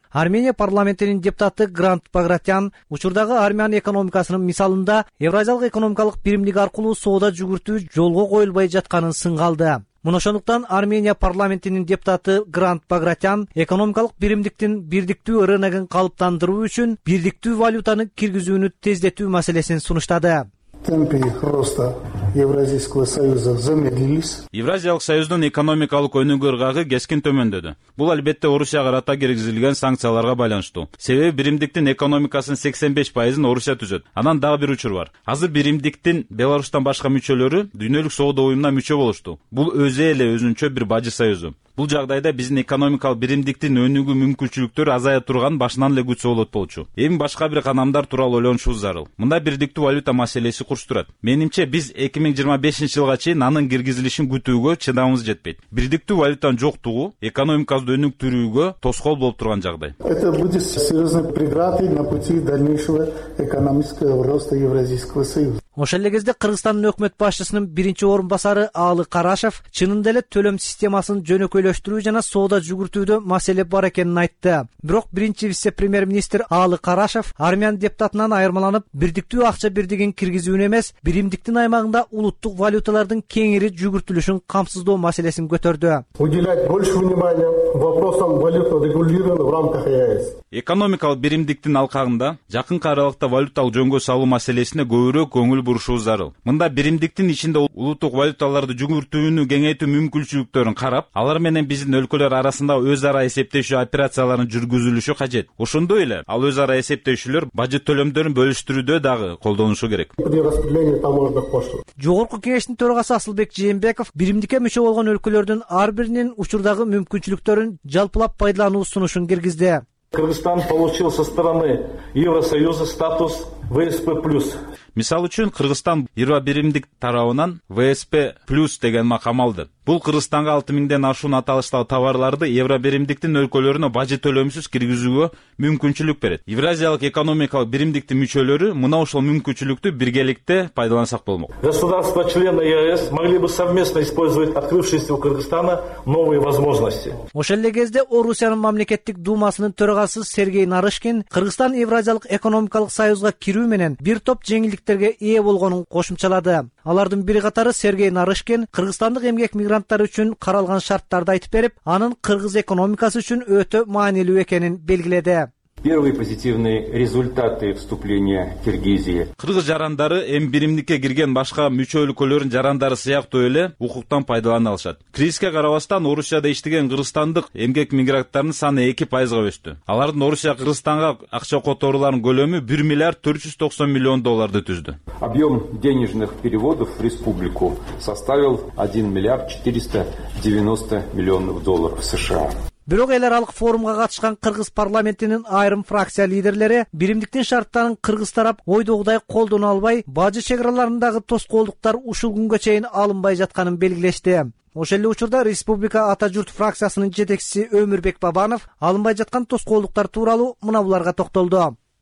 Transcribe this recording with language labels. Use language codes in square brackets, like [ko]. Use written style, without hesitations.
[ky] Армения парламентинин депутаты Грант Багратян учурдагы армян экономикасынын мисалында евразиялык экономикалык биримдик аркылуу соода жүгүртүү жолго коюлбай жатканын сынга алды. Мына ошондуктан Армения парламентинин депутаты Грант Багратян экономикалык биримдиктин бирдиктүү рыногун калыптандыруу үчүн бирдиктүү валютаны киргизүүнү тездетүү маселесин сунуштады. [ru] Темпы роста Евразийского союза замедлились. [ky] Евразиялык союздун экономикалык өнүгүү ыргагы кескин төмөндөдү. Бул албетте Орусияга карата киргизилген санкцияларга байланыштуу. Себеби биримдиктин экономикасынын 85% Орусия түзөт. Анан дагы бир учур бар. Азыр биримдиктин Беларусьтан башка мүчөлөрү дүйнөлүк соода уюмуна мүчө болушту. Бул өзү эле өзүнчө бир бажы союзу. Бул жагдайда биздин экономикалык биримдиктин өнүгүү мүмкүнчүлүктөрү азая турган башынан эле күтсө болот болчу. Эми башка бир канамдар тууралуу ойлонушубуз зарыл. Мында бирдиктүү валюта маселеси курчтурат. Менимче биз 2025 жылга чейин анын киргизилишин күтүүгө чыдамыбыз жетпейт. Бирдиктүү валютанын жоктугу экономикабызды өнүктүрүүгө тоскоол болуп турган жагдай. [ru] Это будет серьезной преградой на пути дальнейшего экономического роста Евразийского союза. [ky] Ошол эле кезде Кыргызстандын өкмөт башчысынын биринчи орун басары Аалы Карашев чынында эле төлөм системасын жөнөкөйлөштүрүү жана соода жүгүртүүдө маселе бар экенин айтты. Бирок биринчи вице премьер министр Аалы Карашев армян депутатынан айырмаланып бирдиктүү акча бирдигин киргизүүнү эмес биримдиктин аймагында улуттук валюталардын кеңири жүгүртүлүшүн камсыздоо маселесин көтөрдү. [ru] Уделять больше внимания вопросам валютного регулирования в рамках ЕАЭС. [ky] Экономикалык биримдиктин алкагында жакынкы аралыкта валюталык жөнгө салуу маселесине көбүрөөк көңүл бурушубуз зарыл. Мында биримдиктин ичинде улуттук валюталарды жүгүртүүнү кеңейтүү мүмкүнчүлүктөрүн карап, алар менен биздин өлкөлөр арасында өз ара эсептешүү операцияларынын жүргүзүлүшү кажет. Ошондой эле ал өз ара эсептешүүлөр бажы төлөмдөрүн бөлүштүрүүдө дагы колдонушу керек. Жогорку кеңештин төрагасы Асылбек Жээнбеков биримдикке мүчө болгон өлкөлөрдүн ар биринин учурдагы мүмкүнчүлүктөрүн жалпылап пайдалануу сунушун киргизди. [ru] Кыргызстан получил со стороны Евросоюза статус ВСП плюс. [ky] Мисал үчүн Кыргызстан 20 биримдик тарабынан ВСП плюс деген макам алды. Бул Кыргызстанга 6000ден ашуун аталыштагы товарларды евро биримдиктин өлкөлөрүнө бажы төлөмсүз киргизүүгө мүмкүнчүлүк берет. Евразиялык экономикалык биримдиктин мүчөлөрү мына ошол мүмкүнчүлүктү биргеликте пайдалансак болмок. [ru] Государства члены ЕАЭС могли бы совместно использовать открывшиеся у Кыргызстана новые возможности. [ky] Ошол эле кезде Орусиянын мамлекеттик думасынын төрагасы Сергей Нарышкин Кыргызстан Евразиялык экономикалык союзга кирүү менен бир топ жеңилдиктерге ээ болгонун кошумчалады. Алардын бири катары Сергей Нарышкин кыргызстандык эмгек мигранттар үчүн каралган шарттарды айтып берип, анын кыргыз экономикасы үчүн өтө маанилүү экенин белгиледи. [ru] Первые позитивные результаты вступления Киргизии. [ky] Кыргыз жарандары М1-ке кирген башка мүчө өлкөлөрүн жарандары сыяктуу эле укуктан пайдалана алышат. Кризиске карабастан Орусияда иштеген кыргызстандык эмгек мигранттарынын саны 2% өстү. Алардын Орусия Кыргызстанга акча которууларынын көлөмү 1 миллиард 490 миллион долларды түздү. [ru] Объем денежных переводов в республику составил 1 миллиард 490 миллионов долларов США. [ky] Бирок эл аралык форумга катышкан кыргыз парламентинин айрым фракция лидерлери биримдиктин шарттарын кыргыз тарап ойдогудай колдоно албай, бажы чек аралыгындагы тоскоолдуктар ушул күнгө чейин алынбай жатканын белгилешти. Ошол эле учурда Республика Ата Журт фракциясынын жетекчиси Өмүрбек Бабанов алынбай жаткан тоскоолдуктар тууралуу мына буларга токтолду.